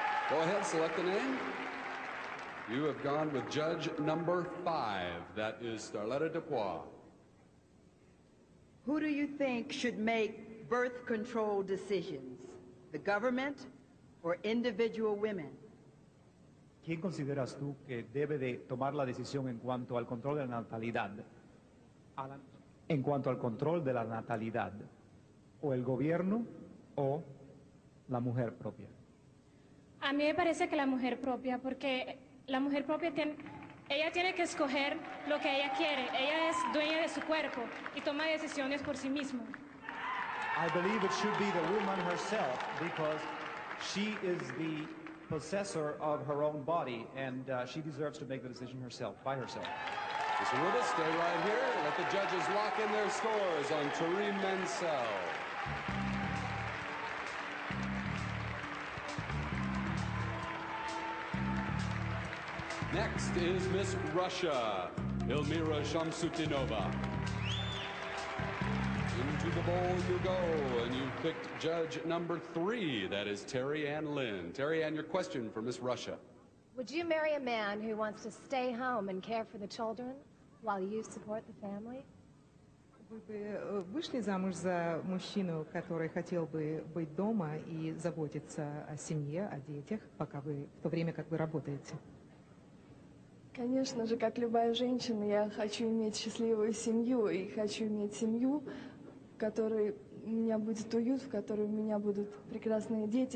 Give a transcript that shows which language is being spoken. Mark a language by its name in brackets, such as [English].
[English] Go ahead, select the name. You have gone with judge number 5. That is Starletta Dupois. Who do you think should make birth control decisions, the government or individual women? [Spanish] ¿Quién consideras tú que debe de tomar la decisión en cuanto al control de la natalidad? En cuanto al control de la natalidad, o el gobierno o la mujer propia. A mí me parece que la mujer propia, porque la mujer propia tiene, ella tiene que escoger lo que ella quiere. Ella es dueña de su cuerpo y toma decisiones por sí misma. [English] I believe it should be the woman herself because she is the possessor of her own body and she deserves to make the decision herself, by herself. Ms. Aruba, stay right here. Let the judges lock in their scores on Taryn Mansell. Next is Miss Russia, Elmira Shamsutdinova. Into the bowl you go, and you picked judge number 3. That is Terry Ann Lynn. Terry Ann, your question for Miss Russia. Would you marry a man who wants to stay home and care for the children while you support the family? [Russian] Вы бы вышли замуж за мужчину, который хотел бы быть дома и заботиться о семье, о детях, пока вы в то время, как вы работаете? Конечно же, как любая женщина, я хочу иметь счастливую семью и хочу иметь семью, в которой у меня будет уют, в которой у меня будут прекрасные дети.